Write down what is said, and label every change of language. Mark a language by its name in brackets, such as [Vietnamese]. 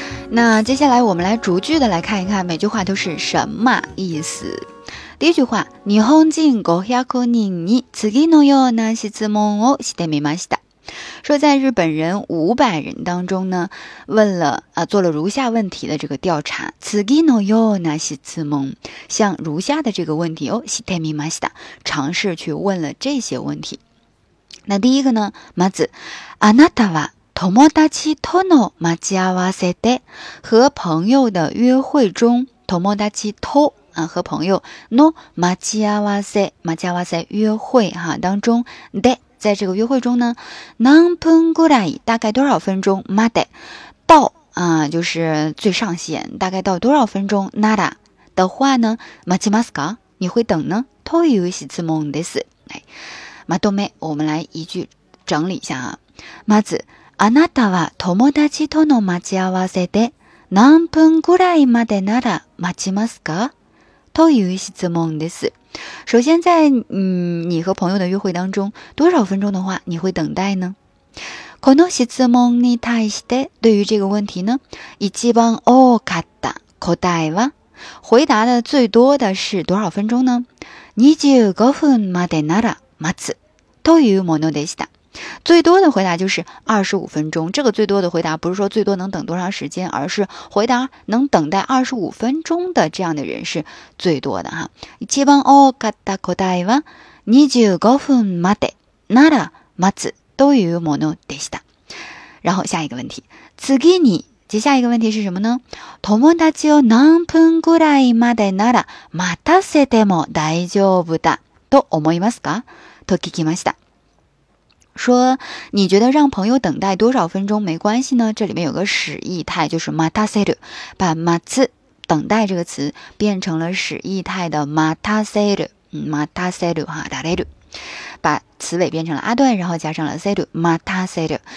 [Chinese] 那接下来我们来逐句的来看一看每句话都是什么意思。第一句话， [Japanese] 日本人500人に次のような質問をしてみました。 [Chinese] 说在日本人500人当中呢，问了做了如下问题的这个调查， [Japanese] 次のような質問， [Chinese] 像如下的这个问题 [Japanese] をしてみました， [Chinese] 尝试去问了这些问题。那第一个呢， [Japanese] まずあなたは友達との待ち合わせで， [Chinese] 和朋友的约会中， [Japanese] 友達と和朋友の待ち合わせ，待ち合わせ [Chinese] 约会哈当中 [Japanese] で。 [Chinese] 在这个约会中呢， [Japanese] 何分ぐらい， [Chinese] 大概多少分钟，まで，到就是最上限，大概到多少分钟，なら的话呢， [Japanese] 待ちますか， [Chinese] 你会等呢， [Japanese] という質問です。まとめ， [Chinese] 我们来一句整理一下啊。 [Japanese] まずあなたは友達との待ち合わせで何分ぐらいまでなら待ちますか，という質問です。 [Chinese] 首先在你和朋友的约会当中，多少分钟的话你会等待呢？ [Japanese] この質問に対して， [Chinese] 对于这个问题呢， [Japanese] 一番多かった答えは， [Chinese] 回答的最多的是多少分钟呢？ [Japanese] 25分までなら待つというものでした。 [Chinese] 最多的回答就是25分钟，这个最多的回答不是说最多能等多长时间，而是回答能等待25分钟的这样的人是最多的哈。 [Japanese] 一番多かった答えは25分までなら待つというものでした。 [Chinese] 然后下一个问题， [Japanese] 次に， [Chinese] 接下一个问题是什么呢？ [Japanese] 友達を何分ぐらいまでなら待たせても大丈夫だと思いますか，と聞きました。 [Chinese] 说你觉得让朋友等待多少分钟没关系呢？这里面有个使义态，就是待たせる，把待つ等待这个词变成了使义态的待たせる，待たせる哈，待れる，把词尾变成了阿段，然后加上了せる，待たせる。